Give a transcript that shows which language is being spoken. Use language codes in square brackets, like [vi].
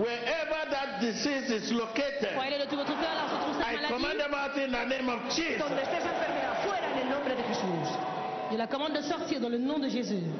[en] Wherever that disease is located. I command them out in the name of Jesus. [es] Donde esté esa enfermedad, fuera en el nombre de Jesús. [fr] Je la commande de sortir dans le nom de Jésus.